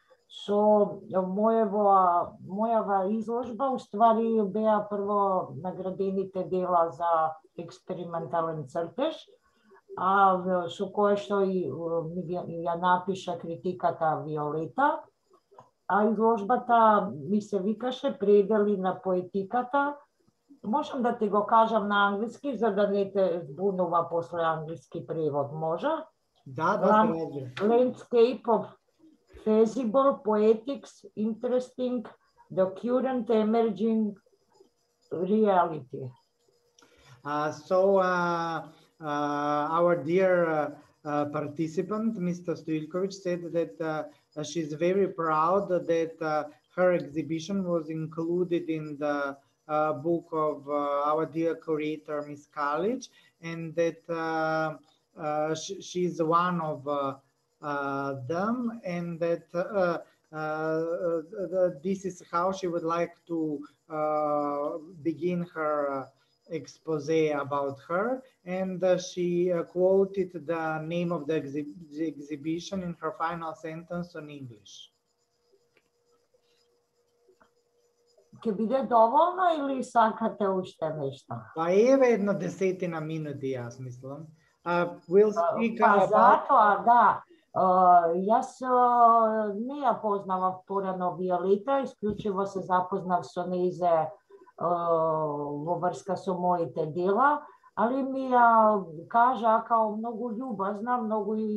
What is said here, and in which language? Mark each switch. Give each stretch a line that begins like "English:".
Macedonian: Со мојава изложба, уствари беа прво наградените дела за експериментален цртеж, а со кое што и ја напиша критиката Виолета. А изложбата ми се викаше «Предели на поетиката». Можам да ти го кажам на англиски, за да не те збунува после англиски превод, може? Да, може.
English: Landscape of feasible poetics, interesting, the current emerging reality. Our dear participant, Mr. Stojiljković, said that she's very proud that her exhibition was included in the book of our dear curator Miss Kalich, and that she's one of them, and that this is how she would like to begin her expose about her, and she quoted the name of the exhibition in her final sentence in English.
Macedonian: Ќе биде доволно или сакате уште нешто? Па еве една десетина минути, јас мислам.
English: We'll speak about...
Macedonian: Затоа, да. Јас не ја познавав порано Виолета, исклучиво се запознав со неизе во врска со моите дела, али ми ја кажа како многу љубазна, многу